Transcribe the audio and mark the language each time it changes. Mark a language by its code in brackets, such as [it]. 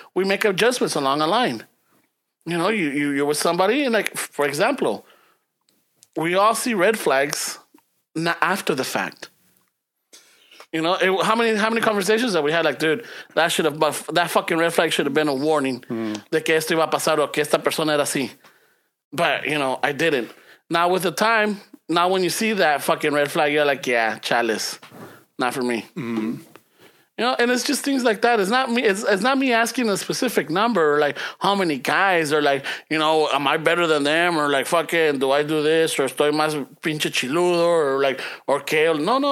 [en] We make adjustments along a line. You know, you're with somebody and like, for example, we all see red flags not after the fact. You know, how many conversations that we had, like, dude, that should have, that fucking red flag should have been a warning. [es] De que esto iba a pasar o que esta persona era así. [en] But, I didn't. Now with the time, now when you see that fucking red flag, you're like, yeah, chalice, not for me. You know, and it's just things like that. It's not me. It's not me asking a specific number, or like how many guys, or like, am I better than them, or like fucking do I do this, or [es] estoy más pinche chiludo, [en] or like or kale. No.